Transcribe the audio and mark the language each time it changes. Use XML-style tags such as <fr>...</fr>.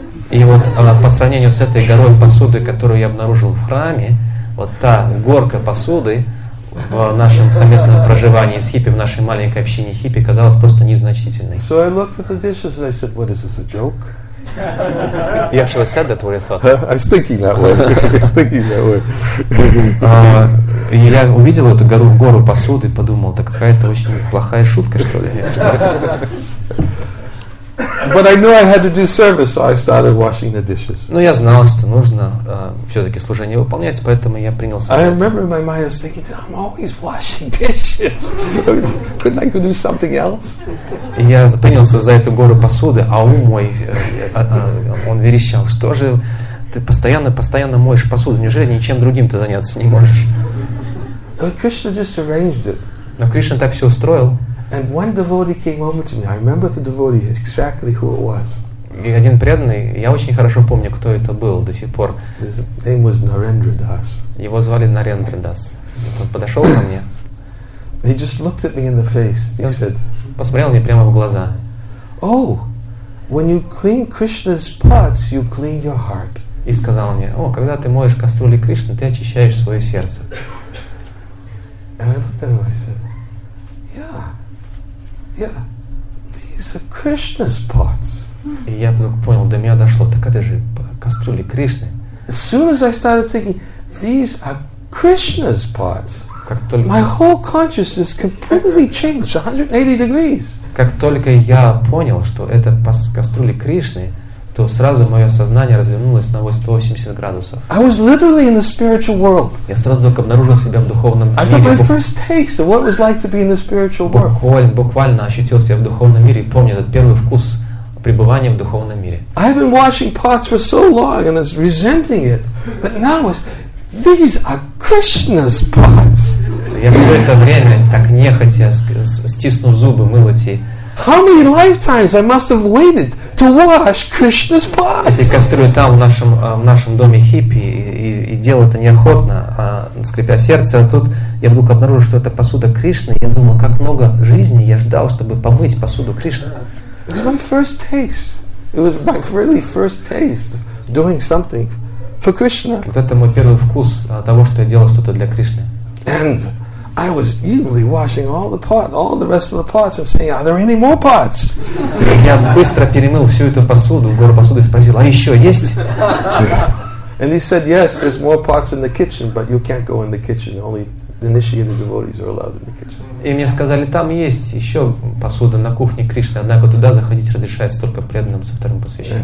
<ru>И вот по сравнению с этой горой посуды, которую я обнаружил в храме, вот та горка посуды в нашем совместном проживании с хиппи, в нашей маленькой общине хиппи, казалась просто незначительной.</ru> <en>So I looked at the dishes and I said, what is this, a joke? You actually said that, what you thought. I was thinking that way.</en> <ru>Я увидел эту гору посуды и подумал, это какая-то очень плохая шутка, что ли.</ru> <en>But I knew I had to do service, so I started washing the dishes.</en> <ru>Но я знал, что нужно все-таки служение выполнять, поэтому я принялся.</ru> <en>I remember in my mind I was thinking, I'm always washing dishes. Couldn't I go do something else?</en> <ru>Я принялся за эту гору посуды, а ум мой, он верещал, что же ты постоянно моешь посуду, неужели ничем другим ты заняться не можешь?</ru> <en>But Krishna just arranged it.</en> <ru>Но Кришна так все устроил.</ru> <en>And one devotee came over to me. I remember the devotee exactly who it was.</en> <ru>И один преданный, я очень хорошо помню, кто это был до сих пор.</ru> <en>His name was Narendra Das.</en> <ru>Его звали Нарендра Дас. Он подошел ко мне.</ru> <en>He just looked at me in the face. He said.</en> <ru>Посмотрел мне прямо в глаза.</ru> <en>Oh, when you clean Krishna's pots, you clean your heart.</en> <ru>И сказал мне, о, когда ты моешь кастрюли Кришны, ты очищаешь свое сердце.</ru> <en>And I looked at him and I said, yeah. Yeah, these are Krishna's pots.</en> <ru>И я вдруг понял, до меня дошло, так это же кастрюли Кришны.</ru> <en>As soon as I started thinking, these are Krishna's pots.</en> <ru>Как только</ru> <en>my whole consciousness completely changed 180 degrees.</en> <ru>Как только я понял, что это кастрюли Кришны, то сразу мое сознание развернулось на 180 градусов.</ru> <en>I was literally in the spiritual world.</en> <ru>Я сразу только обнаружил себя в духовном мире.</ru> <en>I got my first taste of what it was like to be in the spiritual world.</en> <ru>Буквально ощутил себя в духовном мире и помню этот первый вкус пребывания в духовном мире.</ru> <en>I've been washing pots for so long and was resenting it, but now these are Krishna's pots.</en> <ru>Я все это время так нехотя стиснув зубы мыл эти.</ru> <en>How many lifetimes I must have waited to wash Krishna's pots?</en> <ru>Эти кастрюли там в нашем доме хиппи и делать-то неохотно, скрипя сердце, а тут я вдруг обнаружил, что это посуда Кришны. Я думал, как много жизни я ждал, чтобы помыть посуду Кришны.</ru> <en>It was my first taste. It was my really first taste doing something for Krishna.</en> <ru>Вот это мой первый вкус того, что я делал что-то для Кришны.</ru> <en>And I was eagerly washing all the pots, all the rest of the pots, and saying, "Are there any more pots?"</en> <ru>Я быстро перемыл всю эту посуду, гору посуды, и спросил, а еще есть?</ru> <en>And he said, "Yes, there's more pots in the kitchen, but you can't go in the kitchen. Only initiated devotees are allowed in the kitchen.</en> <ru>И мне сказали, там есть еще посуда на кухне Кришны, однако туда заходить разрешается только преданным со вторым посвящением.</ru>